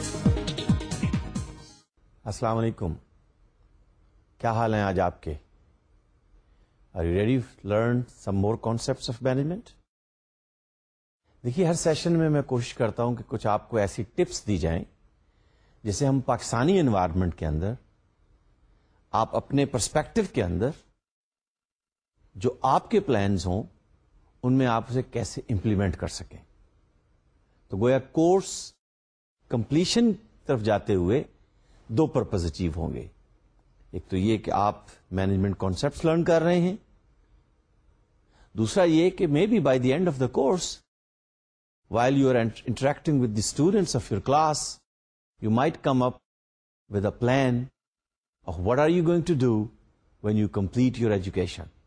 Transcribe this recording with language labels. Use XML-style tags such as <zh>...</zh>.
<ur>السلام علیکم، کیا حال ہیں آج آپ کے؟</ur> <en>Are you ready to learn some more concepts of management؟</en> <ur>دیکھیے، ہر سیشن میں میں کوشش کرتا ہوں کہ کچھ آپ کو ایسی ٹپس دی جائیں جسے ہم پاکستانی انوائرمنٹ کے اندر، آپ اپنے پرسپیکٹو کے اندر، جو آپ کے پلانز ہوں ان میں آپ اسے کیسے امپلیمنٹ کر سکیں. تو گویا کورس کمپلیشن طرف جاتے ہوئے دو پرپز اچیو ہوں گے. ایک تو یہ کہ</ur> <en>آپ management concepts learn کر رہے ہیں، دوسرا یہ کہ may be by the end of the course while you are interacting with the students of your class you might come up with a plan of what are you going to do when you complete your education.</en>